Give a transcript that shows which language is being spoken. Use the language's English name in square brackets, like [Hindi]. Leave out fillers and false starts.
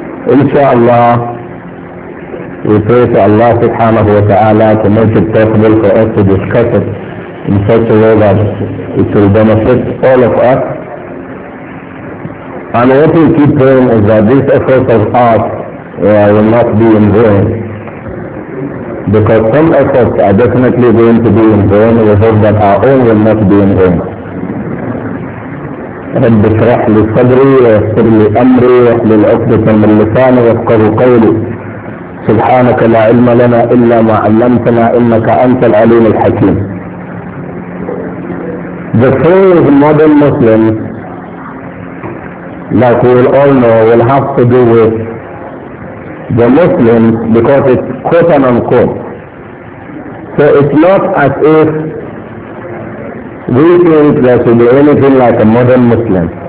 [English] Insha'Allah, we pray to Allah subhanahu wa ta'ala to make it possible for us to discuss it in such a way that it will benefit all of us. And what we keep praying is that this effort of ours will not be in vain. Because some efforts are definitely going to be in vain, we hope that our own will not be in vain. [Arabic] رب اشرح لي صدري ويسر لي امري واحلل عقدة من لساني يفقهوا قولي سبحانك لا علم لنا الا ما علمتنا انك انت العليم الحكيم. [English] The thing with modern Muslims, like we will all know, will have to do with the Muslims, because it's quote unquote. So it's not as if we think there should be anything like a modern Muslim.